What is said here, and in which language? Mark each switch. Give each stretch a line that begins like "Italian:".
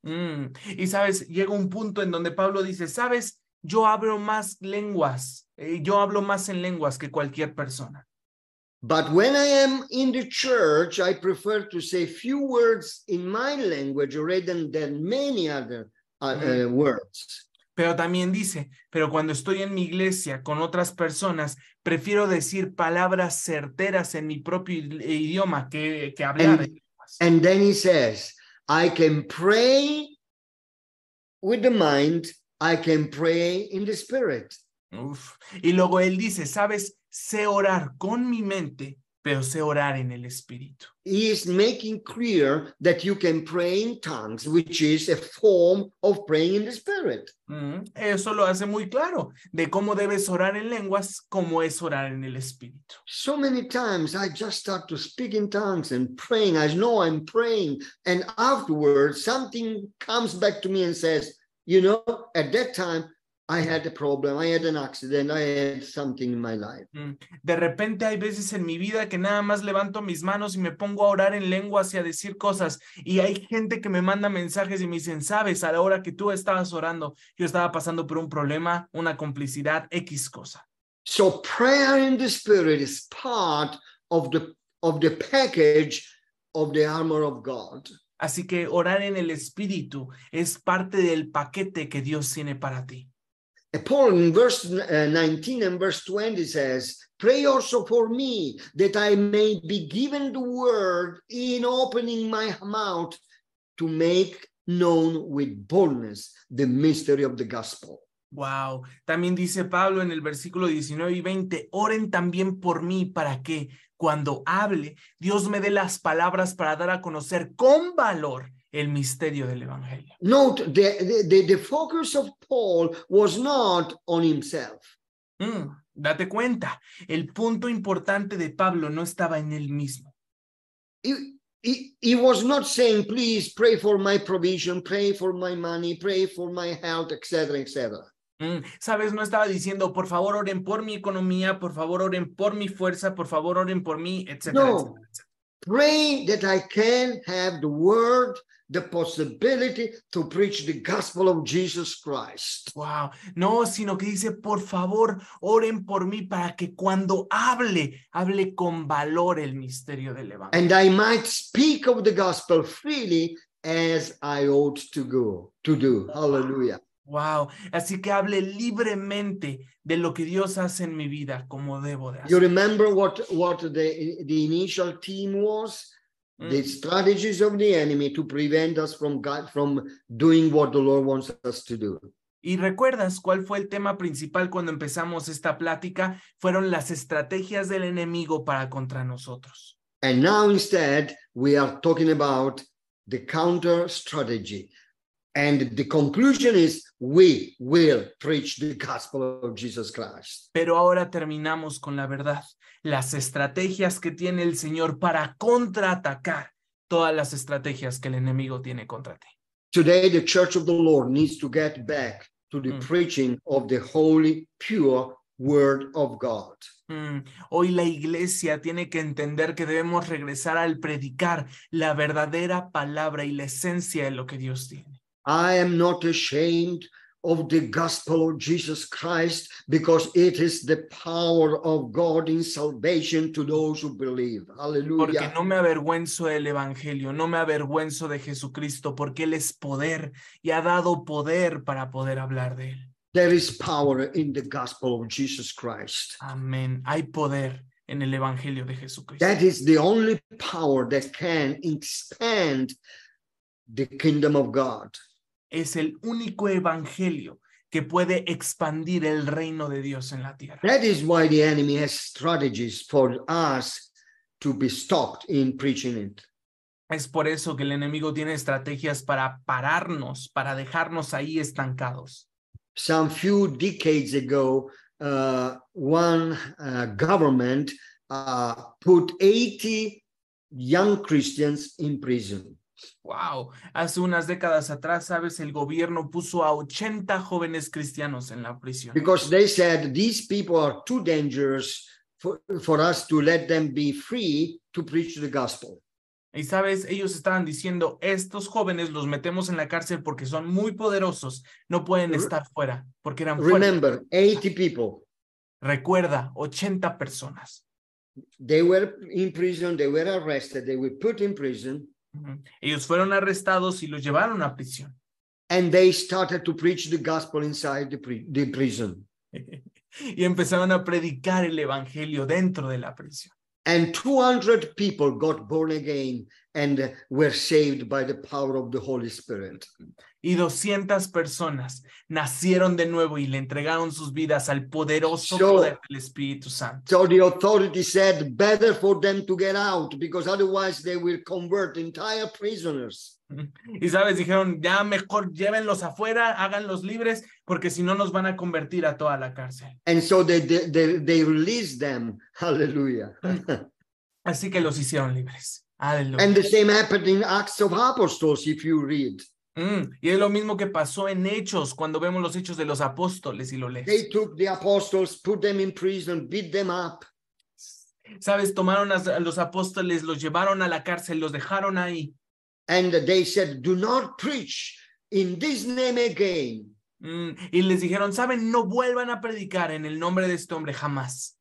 Spanish: Y sabes, llega un punto en donde Pablo dice, sabes, yo hablo más en lenguas que cualquier persona.
English: But when I am in the church, I prefer to say few words in my language rather than many other words.
Spanish: Pero también dice, pero cuando estoy en mi iglesia con otras personas, prefiero decir palabras certeras en mi propio idioma que hablar.
English: And then he says, I can pray with the mind, I can pray in the spirit.
Spanish: Uf. Y luego él dice, ¿sabes? Sé orar con mi mente, pero sé orar en el Espíritu.
English: He is making clear that you can pray in tongues, which is a form of praying in the Spirit.
Spanish: Eso lo hace muy claro, de cómo debes orar en lenguas, cómo es orar en el Espíritu.
English: So many times I just start to speak in tongues and praying. I know I'm praying. And afterwards, something comes back to me and says, you know, at that time, I had a problem, I had an accident, I had something in my life.
Spanish: De repente hay veces en mi vida que nada más levanto mis manos y me pongo a orar en lenguas y a decir cosas. Y hay gente que me manda mensajes y me dicen, sabes, a la hora que tú estabas orando, yo estaba pasando por un problema, una complicidad, X cosa.
English: So prayer in the Spirit is part of the package of the armor of God.
Spanish: Así que orar en el Espíritu es parte del paquete que Dios tiene para ti.
English: Paul in verse 19 and verse 20 says, pray also for me that I may be given the word in opening my mouth to make known with boldness the mystery of the gospel. Wow.
Spanish: También dice Pablo en el versículo 19 y 20, oren también por mí para que cuando hable, Dios me dé las palabras para dar a conocer con valor el misterio del evangelio.
English: Note the focus of Paul was not on himself.
Spanish: Date cuenta, el punto importante de Pablo no estaba en él mismo.
English: He was not saying, please pray for my provision, pray for my money, pray for my health, etc., etc.
Spanish: Sabes, no estaba diciendo, por favor oren por mi economía, por favor oren por mi fuerza, por favor oren por mí, etc.
English: No, pray that I can have the word the possibility to preach the gospel of Jesus Christ. Wow.
Spanish: No, sino que dice, por favor, oren por mí para que cuando hable, hable con valor el misterio del evangelio.
English: And I might speak of the gospel freely as I ought to go to do. Hallelujah. Wow.
Spanish: Así que hable libremente de lo que Dios hace en mi vida, como debo de hacer.
English: You remember what the initial theme was? The strategies of the enemy to prevent us from God, from doing what the Lord wants us to do.
Spanish: ¿Y recuerdas cuál fue el tema principal cuando empezamos esta plática? Fueron las estrategias del enemigo para contra nosotros.
English: And now instead, we are talking about the counter strategy. And the conclusion is, we will preach the gospel of Jesus Christ.
Spanish: Pero ahora terminamos con la verdad. Las estrategias que tiene el Señor para contraatacar todas las estrategias que el enemigo tiene contra ti.
English: Today, the church of the Lord needs to get back to the preaching of the holy, pure word of God.
Spanish: Hoy la iglesia tiene que entender que debemos regresar al predicar la verdadera palabra y la esencia de lo que Dios tiene.
English: I am not ashamed of the gospel of Jesus Christ because it is the power of God in salvation to those who believe. Hallelujah.
Spanish: Porque no me avergüenzo del evangelio, no me avergüenzo de Jesucristo porque él es poder y ha dado poder para poder hablar de él.
English: There is power in the gospel of Jesus Christ.
Spanish: Amén. Hay poder en el evangelio de Jesucristo.
English: That is the only power that can expand the kingdom of God.
Spanish: Es el único evangelio que puede expandir el reino de Dios en la tierra.
English: That is why the enemy has strategies for us to be stopped in preaching it.
Spanish: Es por eso que el enemigo tiene estrategias para pararnos, para dejarnos ahí estancados.
English: Some few decades ago, government put 80 young Christians in prison.
Spanish: Wow, hace unas décadas atrás, sabes, el gobierno puso a 80 jóvenes cristianos en la prisión.
English: Because they said these people are too dangerous for us to let them be free to preach the gospel.
Spanish: Y sabes, ellos estaban diciendo, estos jóvenes los metemos en la cárcel porque son muy poderosos, no pueden estar fuera porque eran fuertes.
English: Remember, 80 people.
Spanish: Recuerda, 80 personas.
English: They were in prison, they were arrested, they were put in prison.
Spanish: Ellos fueron arrestados y los llevaron a prisión.
English: And they started to preach the gospel inside the prison.
Spanish: Y empezaron a predicar el evangelio dentro de la prisión.
English: And 200 people got born again and were saved by the power of the Holy Spirit.
Spanish: Y 200 personas nacieron de nuevo y le entregaron sus vidas al poderoso poder del Espíritu Santo.
English: So the authority said better for them to get out because otherwise they will convert entire prisoners.
Spanish: Y sabes, dijeron, ya mejor llévenlos afuera, háganlos libres, porque si no nos van a convertir a toda la cárcel.
English: And so they released them. Hallelujah.
Spanish: Así que los hicieron libres. Hallelujah.
English: And the same happened in Acts of Apostles, if you read.
Spanish: Y es lo mismo que pasó en Hechos, cuando vemos los hechos de los apóstoles y lo lees.
English: They took the apostles, put them in prison, beat them up.
Spanish: Sabes, tomaron a los apóstoles, los llevaron a la cárcel, los dejaron ahí.
English: And they said, do not preach in this name again.
Spanish: Y les dijeron, saben, no vuelvan a predicar en el nombre de este hombre jamás.